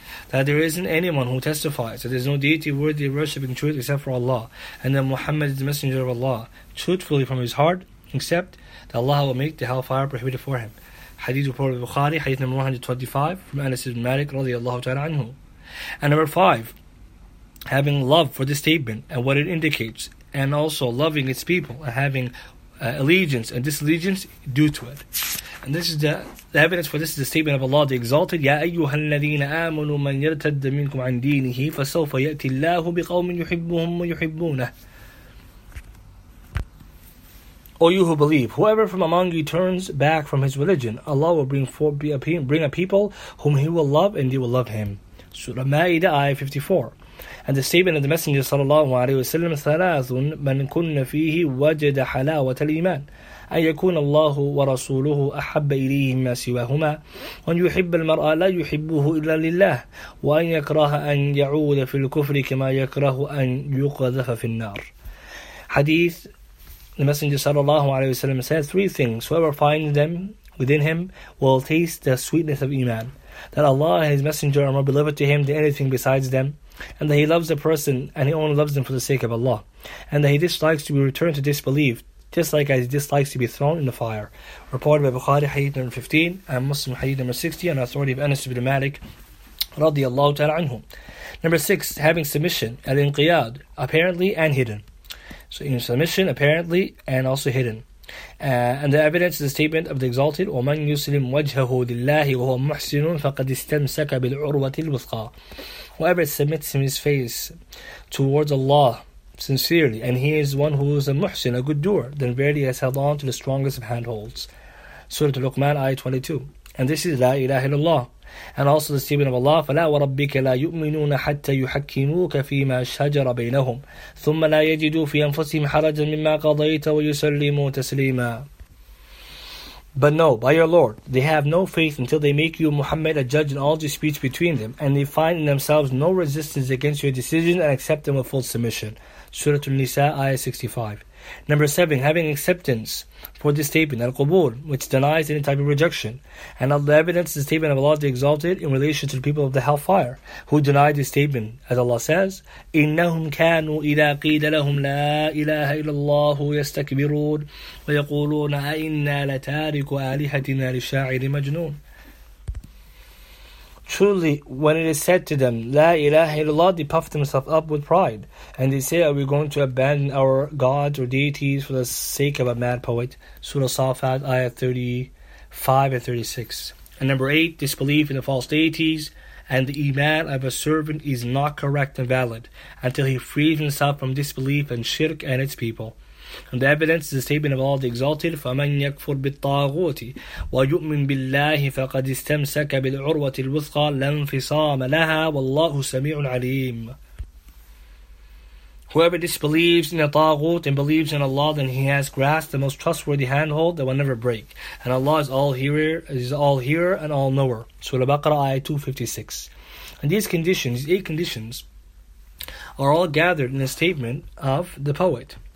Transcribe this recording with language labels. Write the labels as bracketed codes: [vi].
[en] That there isn't anyone who testifies that there's no deity worthy of worship and truth except for Allah, and that Muhammad is the messenger of Allah truthfully from his heart, except that Allah will make the hellfire prohibited for him. Hadith of Bukhari, hadith number 125, from Anas ibn Malik radiallahu ta'ala anhu. And number 5, having love for this statement and what it indicates, and also loving its people and having allegiance and disallegiance due to it. And this is the evidence for this is the statement of Allah, the Exalted, [ar] يَا أَيُّهَا الَّذِينَ آمُنُوا مَنْ يَرْتَدَّ مِنْكُمْ عَنْ دِينِهِ فَسَوْفَ يَأْتِ اللَّهُ بِقَوْمٍ يُحِبُّهُمْ وَيُحِبُّونَهُ. [en] O you who believe, whoever from among you turns back from his religion, Allah will bring a people whom he will love and they will love him. Surah Ma'idah, Ayah 54. [ar] And the statement of the Messenger sallallahu alaihi wasallam, ثَلَاثٌ مَنْ كُنَّ فِيهِ وَجَدَ حَلَاوَةَ الْإِيمَانِ أن يكون الله ورسوله أحب إليه مما سواهما وأن يحب المرأة لا يحبه إلا لله وأن يكره أن يعود في الكفر كما يكره أن يقذف في النار. [en] Hadith, the Messenger sallallahu alaihi wasallam said, 3 things, whoever finds them within him will taste the sweetness of Iman, that Allah and His Messenger are more beloved to him than anything besides them, and that he loves the person and he only loves them for the sake of Allah, and that he dislikes to be returned to disbelief, just like as he dislikes to be thrown in the fire. Reported by Bukhari, hadith number 15, and Muslim, hadith number 60, and authority of Anas ibn Malik, radiallahu ta'ala anhu. Number 6, having submission, al-inqiyad, apparently and hidden. So in submission, apparently, and also hidden. And the evidence is the statement of the Exalted, [ar] وَمَنْ يُسْلِمْ وَجْهَهُ لِلَّهِ وَهُوَ مُحْسِنٌ فَقَدْ إِسْتَمْسَكَ بِالْعُرْوَةِ الْوُثْقَى. [en] Whoever submits in his face towards Allah sincerely, and he is one who is a muhsin, a good doer, then verily has held on to the strongest of handholds. Surah Luqman, Ayah 22. And this is La ilaha illallah. And also the statement of Allah, [ar] فَلَا وَرَبِّكَ لَا يُؤْمِنُونَ حَتَّى يُحَكِّمُوكَ فِي مَا شَجَرَ بَيْنَهُمْ ثُمَّ لَا يَجِدُوا فِي أَنفُسِهِمْ حَرَجًا مِمَّا قَضَيْتَ وَيُسَلِّمُوا تَسْلِيمًا. [en] But no, by your Lord, they have no faith until they make you, Muhammad, a judge in all disputes between them, and they find in themselves no resistance against your decision and accept them with full submission. Surah An-Nisa, Ayah 65. Number 7, having acceptance for this statement, Al-Qubur, which denies any type of rejection. And the evidence is the statement of Allah the Exalted in relation to the people of the hellfire, who deny this statement, as Allah says, [ar] إِنَّهُمْ كَانُوا إِذَا قِيدَ لَهُمْ لَا إِلَهَ إِلَّا اللَّهُ يَسْتَكْبِرُونَ وَيَقُولُونَ أَإِنَّا لَتَارِكُ آلِهَتِنَا لِشَاعِرٍ مَجْنُونَ. [en] Truly, when it is said to them, La ilaha illallah, they puff themselves up with pride. And they say, are we going to abandon our gods or deities for the sake of a mad poet? Surah Safat, Ayah 35 and 36. And number 8, disbelief in the false deities and the iman of a servant is not correct and valid until he frees himself from disbelief and shirk and its people. And the evidence is the statement of Allah the Exalted, [ar] فَمَنْ يَكْفُرْ بِالطَّاغُوتِ وَيُؤْمِنْ بِاللَّهِ فَقَدْ إِسْتَمْسَكَ بِالْعُرْوَةِ الْوُثْقَى لَنْفِصَامَ لَهَا وَاللَّهُ سَمِيعٌ عَلِيمٌ. [en] Whoever disbelieves in a tagut and believes in Allah, then he has grasped the most trustworthy handhold that will never break. And Allah is all hearer and all knower. Surah Baqarah, Ayah 256. And these conditions, these 8 conditions, are all gathered in the statement of the poet.